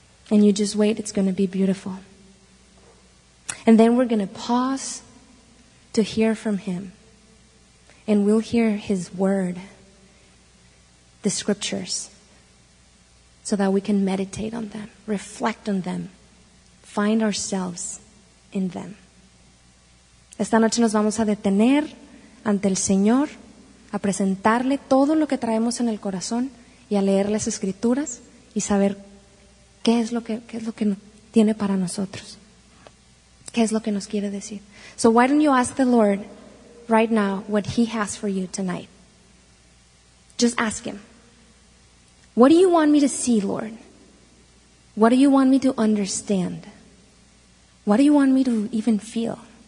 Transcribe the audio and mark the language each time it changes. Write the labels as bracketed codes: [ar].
[en] And you just wait, it's going to be beautiful. And then we're going to pause to hear from Him. And we'll hear His word, the scriptures, so that we can meditate on them, reflect on them, find ourselves in them. [es] Esta noche nos vamos a detener ante el Señor, a presentarle todo lo que traemos en el corazón y a leer las escrituras y saber qué es lo que tiene para nosotros. ¿Qué es lo que nos quiere decir? [en] So why don't you ask the Lord right now what He has for you tonight? Just ask Him. What do you want me to see, Lord? What do you want me to understand? What do you want me to even feel?